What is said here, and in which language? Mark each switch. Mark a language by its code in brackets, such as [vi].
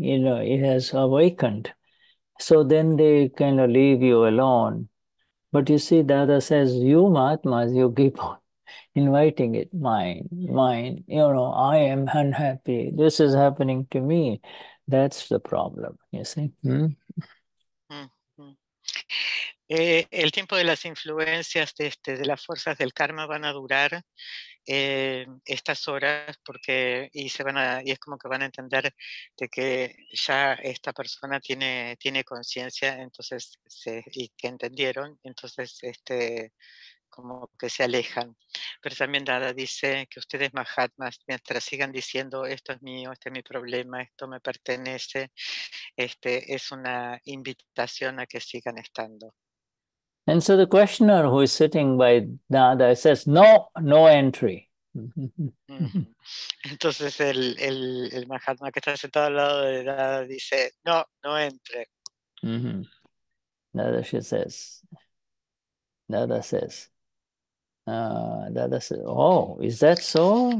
[en] You know, it has awakened. So then they kind of leave you alone. But you see, Dada says, you Mahatmas, you keep on inviting it, mine, mine, you know, I am unhappy, this is happening to me. That's the problem, you see. [es] El tiempo de las influencias de las fuerzas del karma van a durar estas horas porque y se van a y es como que van a entender de que ya esta persona tiene conciencia, entonces se y que entendieron, entonces como que se alejan. Pero también Dada dice que ustedes mahatmas, mientras sigan diciendo esto es mío, este es mi problema, esto me pertenece, es una invitación a que sigan estando. [en] And so the questioner who is sitting by Dada says, no, no entry. [es] Entonces el mahatma que está sentado al lado de Dada dice, no, no entre. [en] Dada says, Dada says, oh, is that so?